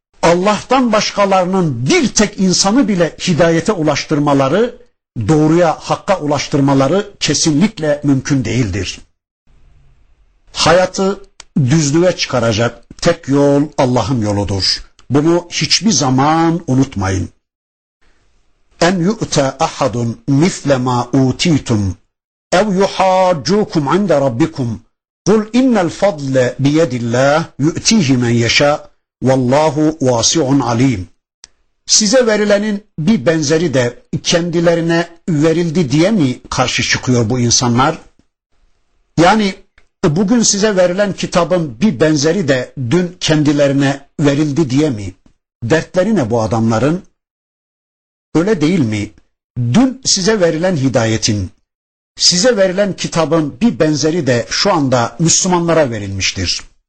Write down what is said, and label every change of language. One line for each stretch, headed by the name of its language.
Turkish: Allah'tan başkalarının bir tek insanı bile hidayete ulaştırmaları, doğruya, hakka ulaştırmaları kesinlikle mümkün değildir. Hayatı düzlüğe çıkaracak tek yol Allah'ın yoludur. Bunu hiçbir zaman unutmayın.
Arabic: En yu'te ahadun mifle ma utitum. اَوْ يُحَاجُّوكُمْ عِنْدَ رَبِّكُمْ قُلْ اِنَّ الْفَضْلَ بِيَدِ اللّٰهِ يُؤْتِيهِ مَنْ يَشَاءُ وَاللّٰهُ وَاسِعٌ عَلِيمٌ
Turkish: Size verilenin bir benzeri de kendilerine verildi diye mi karşı çıkıyor bu insanlar? Yani bugün size verilen kitabın bir benzeri de dün kendilerine verildi diye mi? Dertleri ne bu adamların? Öyle değil mi? Dün size verilen hidayetin, size verilen kitabın bir benzeri de şu anda Müslümanlara verilmiştir.